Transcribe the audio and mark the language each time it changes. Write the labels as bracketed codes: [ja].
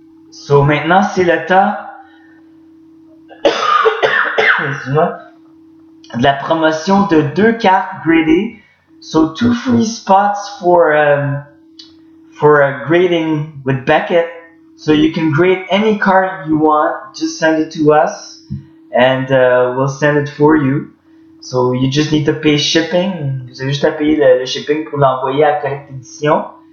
[en] So [fr] maintenant, c'est le temps de la promotion de deux cartes gradées. [en] So two free spots for grading with Beckett. So you can grade any card you want. Just send it to us, and we'll send it for you. So you just need to pay shipping. [fr] Vous avez juste à payer le shipping pour l'envoyer à Correct Edition.